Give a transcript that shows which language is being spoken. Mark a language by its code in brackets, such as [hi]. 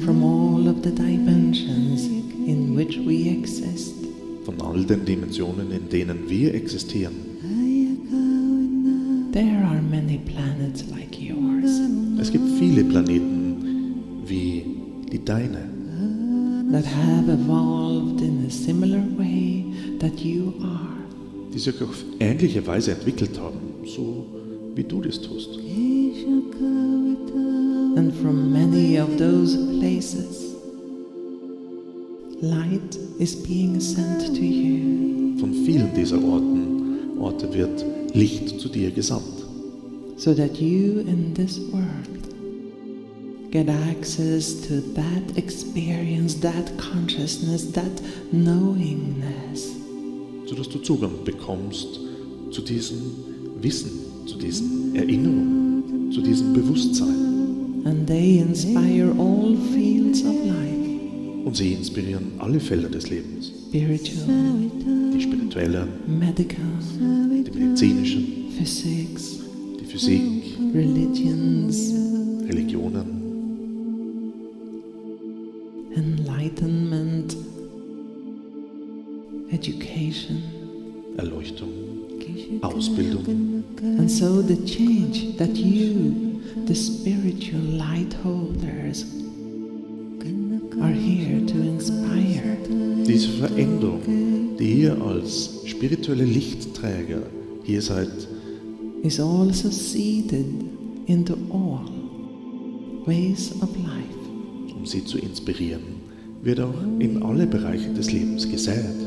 [en] From all of the dimensions in which we exist. [de] Von all den Dimensionen, in denen wir existieren. [en] There are many planets like yours. [de] Es gibt viele Planeten wie die deine. [en] That have evolved in a similar way that you are. [de] Die sich auf ähnliche Weise entwickelt haben, so wie du das tust. [en] And from many of those places, light is being sent to you. [de] Von vielen dieser Orte wird Licht zu dir gesandt. [en] So that you in this world get access to that experience, that consciousness, that knowingness. [de] So dass du Zugang bekommst zu diesem Wissen, zu diesen Erinnerungen, zu diesem Bewusstsein. [en] And they inspire all fields of life. [de] Und sie inspirieren alle Felder des Lebens. [en] Spiritual, [de] die spirituellen, [en] medical, [de] die medizinischen, [en] physics, [de] die Physik, [en] religions, [de] Religionen. [en] Enlightenment. Education, [de] Erleuchtung, Ausbildung. [en] And so the change that you, the spiritual light holders, are here to inspire. [de] Diese Veränderung, die ihr als spirituelle Lichtträger hier seid, [en] is also seeded into all ways of life. [de] Um sie zu inspirieren, wird auch in alle Bereiche des Lebens gesät.